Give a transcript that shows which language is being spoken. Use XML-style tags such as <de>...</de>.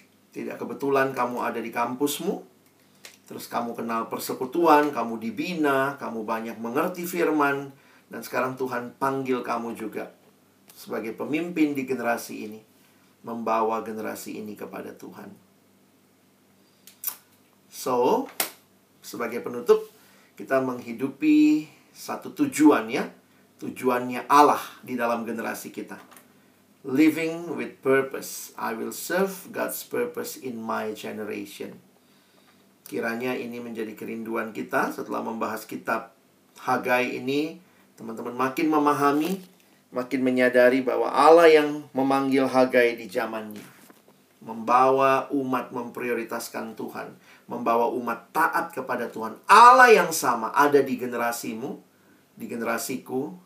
<id>Tidak kebetulan kamu ada di kampusmu, terus kamu kenal persekutuan, kamu dibina, kamu banyak mengerti firman, dan sekarang Tuhan panggil kamu juga sebagai pemimpin di generasi ini, membawa generasi ini kepada Tuhan. So, sebagai penutup, kita menghidupi satu tujuan ya. Tujuannya Allah di dalam generasi kita.</id> <en>Living with purpose, I will serve God's purpose in my generation.</en> <id>Kiranya ini menjadi kerinduan kita setelah membahas kitab Hagai ini. Teman-teman makin memahami, makin menyadari bahwa Allah yang memanggil Hagai di zamannya membawa umat memprioritaskan Tuhan, membawa umat taat kepada Tuhan. Allah yang sama ada di generasimu, di generasiku,</id>